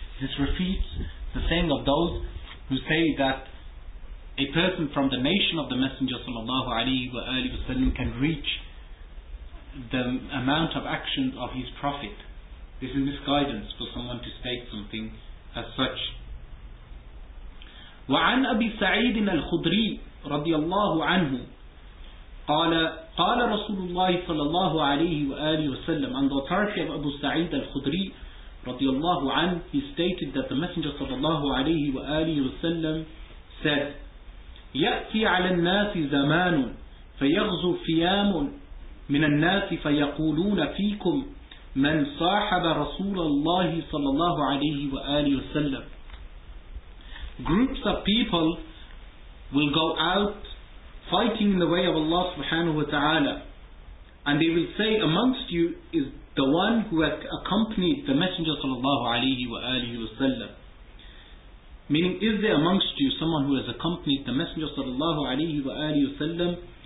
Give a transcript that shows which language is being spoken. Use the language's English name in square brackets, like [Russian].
[English] This refutes the saying of those who say that a person from the nation of the Messenger sallallahu alayhi wa alayhi wa sallam can reach the amount of actions of his Prophet. This is misguidance for someone to state something as such. [Arabic] وَعَنْ أَبِي سَعِيدٍ الْخُضْرِي رَضِيَ اللَّهُ عَنْهُ قال رسول الله صلى الله عليه وآله وسلم. [English] On the authority of Abu Sa'id al-Khudri [Arabic] رضي الله عنه, [English] he stated that the Messenger [Arabic] صلى الله عليه وآله وسلم [English] said, [Arabic] يأتي على الناس زمان فيغزو فيام من الناس فيقولون فيكم من صاحب رسول الله صلى الله عليه وآله وسلم. [English] Groups of people will go out fighting in the way of Allah subhanahu wa ta'ala, and they will say, amongst you is the one who has accompanied the Messenger sallallahu alayhi wa alihi wa sallam. Meaning, is there amongst you someone who has accompanied the Messenger sallallahu alayhi wa alihi wa sallam?